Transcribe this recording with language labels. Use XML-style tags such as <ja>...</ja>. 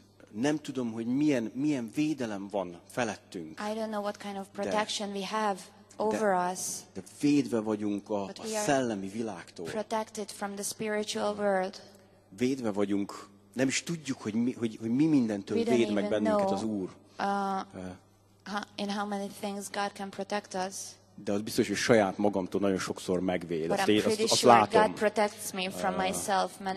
<hu>Nem tudom, hogy milyen védelem van felettünk.</hu> <en>I don't know what kind of protection we have over us.</en> <hu>De védve vagyunk a szellemi világtól.</hu> <en>Protected from the spiritual world.</en> <hu>Védve vagyunk, nem is tudjuk, hogy mi mindentől véd meg bennünket az Úr.</hu> <en>In how many things God can protect us.</en> <hu>De az biztos, hogy saját magamtól nagyon sokszor megvéd.</hu> <en>But I'm pretty sure God protects me from myself many times.</en>